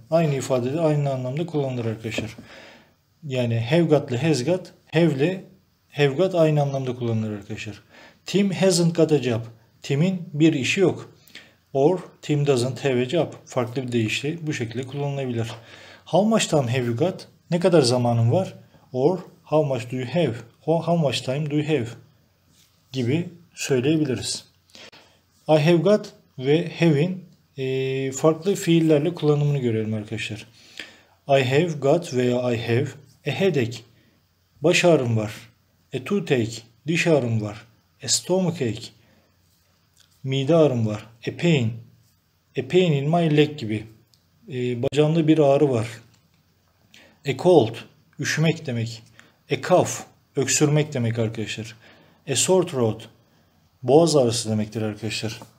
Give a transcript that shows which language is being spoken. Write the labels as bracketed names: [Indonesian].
[Turkish] Aynı ifadede aynı anlamda kullanılır arkadaşlar. Yani have got ile has got, have ile have got aynı anlamda kullanılır arkadaşlar. [English] Tim hasn't got a job. [Turkish] Tim'in bir işi yok. [English] Or Tim doesn't have a job. [Turkish] Farklı bir deyişle bu şekilde kullanılabilir. [English] How much time have you got? [Turkish] Ne kadar zamanın var? [English] Or how much do you have? How much time do you have? [Turkish] Gibi söyleyebiliriz. I have got ve have'in farklı fiillerle kullanımını görelim arkadaşlar. [English] I have got veya I have a headache. [Turkish] Baş ağrım var. A toothache, diş ağrım var. A stomachache, mide ağrım var. [English] A pain in my leg [Turkish] gibi. Bacağımda bir ağrı var. A cold, üşümek demek. A cough, öksürmek demek arkadaşlar. A sore throat, boğaz ağrısı demektir arkadaşlar.